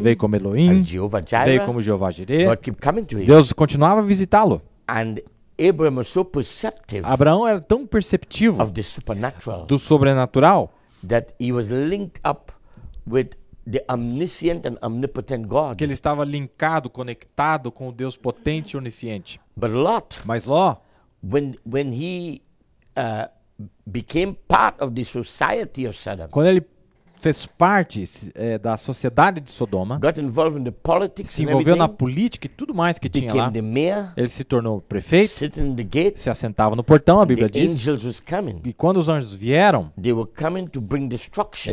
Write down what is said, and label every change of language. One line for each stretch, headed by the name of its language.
Portuguese: veio como Elohim,
English: as Jehovah Jireh,
Portuguese: veio como Jeová Jireh.
English: God kept coming to him.
Portuguese: Deus continuava a visitá-lo.
English: And Abraham was so perceptive.
Portuguese: Abraão era tão perceptivo
English: of the supernatural,
Portuguese: do sobrenatural,
English: that he was linked up with the omniscient and omnipotent God.
Portuguese: Que ele estava linkado, conectado com o Deus potente e onisciente.
English: But Lot,
Portuguese: mas Ló,
English: when he became part of the society of Sodom,
Portuguese: quando ele fez parte da sociedade de Sodoma,
English: got involved in the politics,
Portuguese: se envolveu na política e tudo mais que tinha lá,
English: the mayor,
Portuguese: ele se tornou prefeito,
English: sitting in the gate,
Portuguese: se assentava no portão, a Bíblia
English: the
Portuguese: diz,
English: angels was coming,
Portuguese: e quando os anjos vieram,
English: they were coming to bring destruction,